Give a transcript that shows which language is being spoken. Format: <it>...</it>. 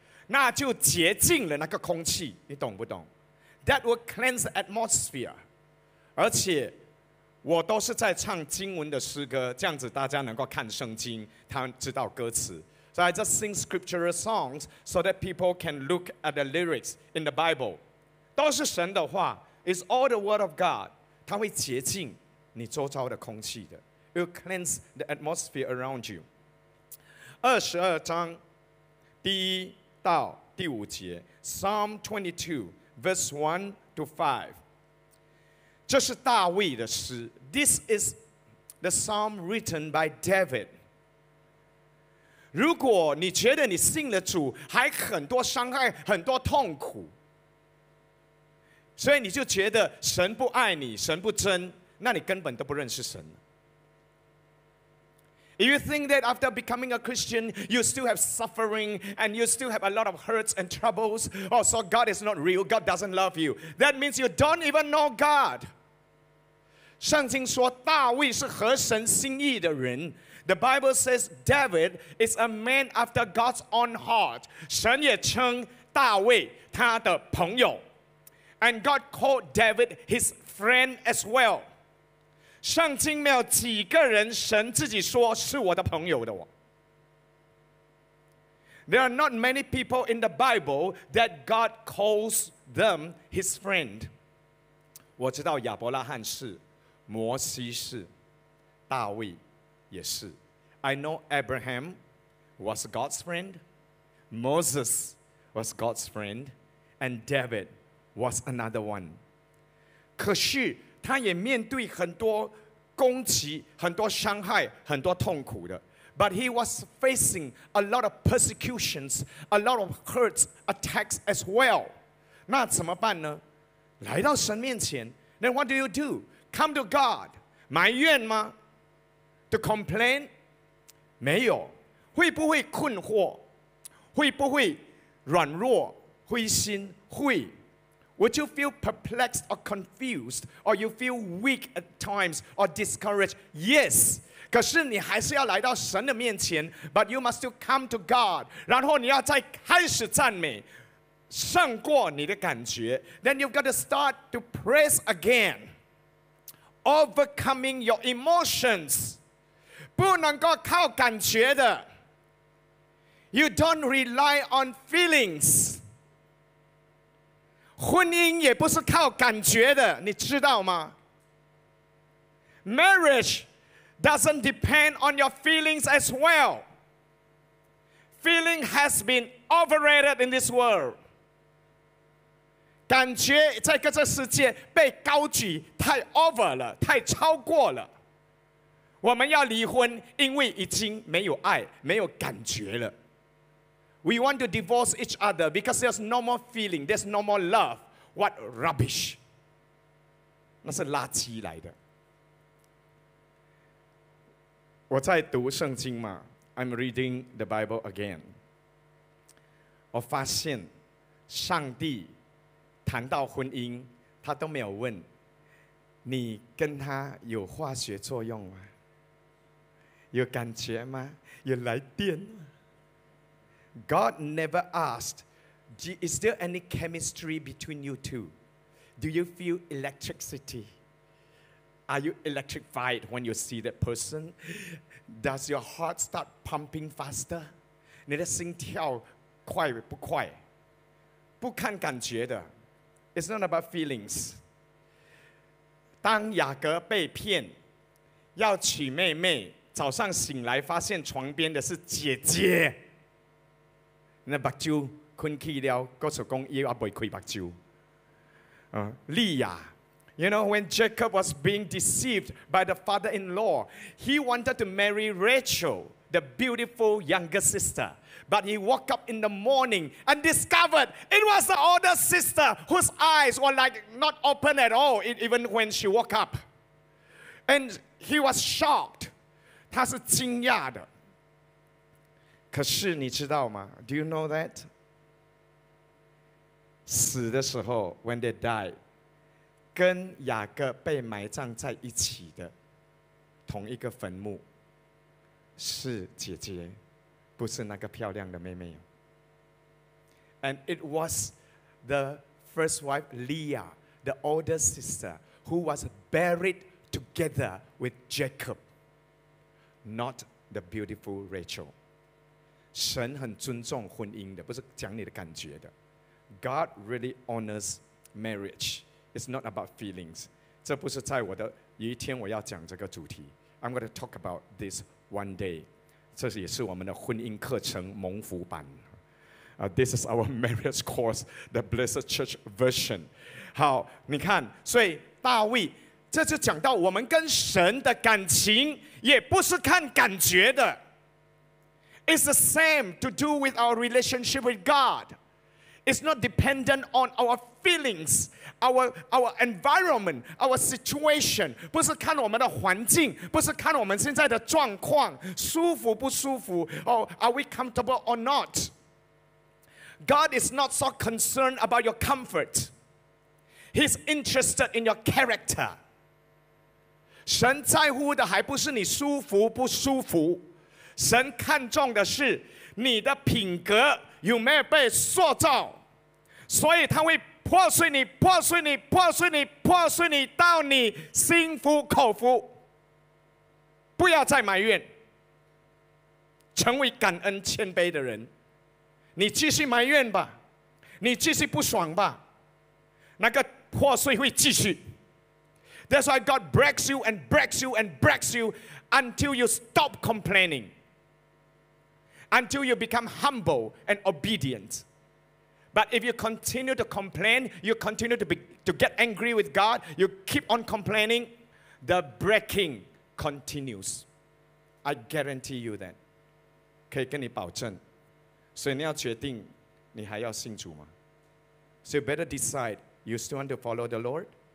<zh>那就洁净了那个空气，你懂不懂？</zh> <en>That will cleanse the atmosphere.</en> <zh>而且我都是在唱经文的诗歌，这样子大家能够看圣经，他知道歌词。</zh> <en>So I just sing scriptural songs so that people can look at the lyrics in the Bible.</en> <zh>都是神的话，</zh> <en>it's all the word of God.</en> <zh>它会洁净你周遭的空气的。</zh> <en>It will cleanse the atmosphere around you.</en> <zh>二十二章第一到第五节</zh> <en>Psalm 22Verse 1 to 5.</en> <zh>这是大卫的诗。</zh> <en>This is the psalm written by David.</en> <zh>如果你觉得你信了主，还很多伤害，很多痛苦，所以你就觉得神不爱你，神不真，那你根本都不认识神。</zh> <en>If you think that after becoming a Christian, you still have suffering and you still have a lot of hurts and troubles, oh, so God is not real, God doesn't love you. That means you don't even know God.</en> <zh>圣经说大卫是合神心意的人。</zh> <en>The Bible says David is a man after God's own heart.</en> <zh>神也称大卫他的朋友。</zh> <en>And God called David his friend as well.</en> <zh>圣经没有几个人神自己说是我的朋友的。</zh> <en>There are not many people in the Bible that God calls them his friend.</en> <zh>我知道亚伯拉罕是，摩西是，大卫也是。</zh> <en>I know Abraham was God's friend, Moses was God's friend, and David was another one.</en> <zh>可是他也面对很多攻击，很多伤害，很多痛苦的。</zh> <en>But he was facing a lot of persecutions, a lot of hurts, attacks as well.</en> <zh>那怎么办呢？来到神面前。</zh> <en>Then what do you do? Come to God.</en> <zh>埋怨吗？</zh> <en>To complain?</en> <zh>没有。会不会困惑？会不会软弱灰心？会。</zh> <en>Would you feel perplexed or confused, or you feel weak at times or discouraged? Yes.</en> <zh>可是你还是要来到神的面前，</zh> <en>but you must still come to God.</en> <zh>然后你要再开始赞美，胜过你的感觉。</zh> <en>Then you've got to start to praise again, overcoming your emotions.</en> <zh>不能够靠感觉的。</zh> <en>You don't rely on feelings.</en> <zh>婚姻也不是靠感觉的，你知道吗？</zh> <en>Marriage doesn't depend on your feelings as well. Feeling has been overrated in this world.</en> <zh>感觉在这个世界被高举，太 over 了，太超过了。我们要离婚，因为已经没有爱，没有感觉了。</zh> <en>We want to divorce each other because there's no more feeling, there's no more love. What rubbish!</en> <zh>那是垃圾来的。我在读圣经嘛，</zh> <en>I'm reading the Bible again.</en> <zh>我发现上帝谈到婚姻，他都没有问你跟他有化学作用吗？有感觉吗？有来电吗？</zh> <en>God never asked, is there any chemistry between you two? Do you feel electricity? Are you electrified when you see that person? Does your heart start pumping faster?</en> <zh>你的心跳快不快？不看感觉的。</zh> <en>It's not about feelings.</en> <zh>当雅各被骗，要娶妹妹，早上醒来发现床边的是姐姐，那目睭睏起了，告诉公伊阿未开目睭。</zh> <en>利亚 ，You know when Jacob was being deceived by the father-in-law, he wanted to marry Rachel, the beautiful younger sister. But he woke up in the morning and discovered it was the older sister whose eyes were like not open at all, even when she woke up. And he was shocked.</en> <zh>他是惊讶的。可是你知道吗？</zh> <en>Do you know that?</en> <zh>死的时候</zh> <en>when they die,</en> <zh>跟雅各被埋葬在一起的同一个坟墓是姐姐，不是那个漂亮的妹妹。</zh> <en>And it was the first wife, Leah, the older sister, who was buried together with Jacob. Not the beautiful Rachel.</en> <zh>神很尊重婚姻的，不是讲你的感觉的。</zh> <en>God really honors marriage. It's not about feelings.</en> <zh>这不是在我的有一天我要讲这个主题。</zh> <en>I'm going to talk about this one day.</en> <zh>这也是我们的婚姻课程蒙福版。</zh> <en>This is our marriage course, the Blessed Church version.</en> <zh>好，你看，所以大卫。这就讲到我们跟神的感情也不是看感觉的。</zh> <en>It's the same to do with our relationship with God. It's not dependent on our feelings, our environment, our situation.</en> <zh>不是看我们的环境，不是看我们现在的状况，舒服不舒服，</zh> <en>or are we comfortable or not? God is not so concerned about your comfort. He's interested in your character.</en> <zh>神在乎的还不是你舒服不舒服，神看重的是你的品格有没有被塑造，所以他会破碎你，破碎你，破碎你，破碎你，到你心服口服。不要再埋怨，成为感恩谦卑的人。你继续埋怨吧，你继续不爽吧，那个破碎会继续。</zh> <en>That's why God breaks you and breaks you and breaks you until you stop complaining. Until you become humble and obedient. But if you continue to complain, you continue to get angry with God, you keep on complaining, the breaking continues. I guarantee you that.</en> <zh>可以跟你保证。所以你要决定你还要信主吗？</zh> <en>So you better decide, you still want to follow the Lord?</en>